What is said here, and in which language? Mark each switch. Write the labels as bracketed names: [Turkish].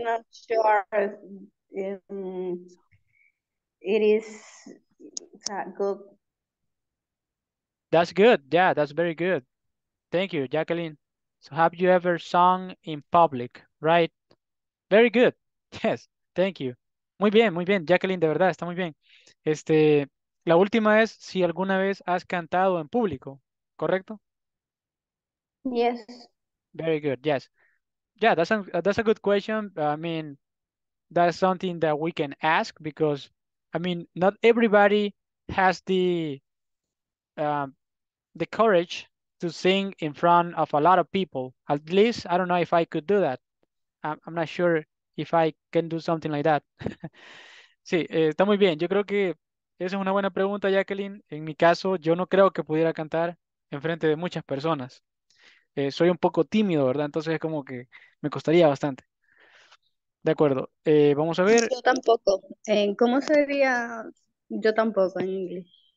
[English] I'm not sure if it is that good. That's good. Yeah, that's very good. Thank you, Jacqueline. So have you ever sung in public, right? Very good. Yes, thank you. [Spanish] Muy bien, Jacqueline, de verdad, está muy bien. La última es si alguna vez has cantado en público, ¿correcto? [English] Yes. Very good, yes. Yeah, that's a good question. I mean, that's something that we can ask because, I mean, not everybody has the courage to sing in front of a lot of people. At least, I don't know if I could do that. I'm not sure if I can do something like that. [Spanish] Sí, está muy bien. Yo creo que esa es una buena pregunta, Jacqueline. En mi caso, yo no creo que pudiera cantar enfrente de muchas personas. Soy un poco tímido, ¿verdad? Entonces es como que me costaría bastante. De acuerdo. Vamos a ver. Yo tampoco. ¿Cómo sería yo tampoco en inglés?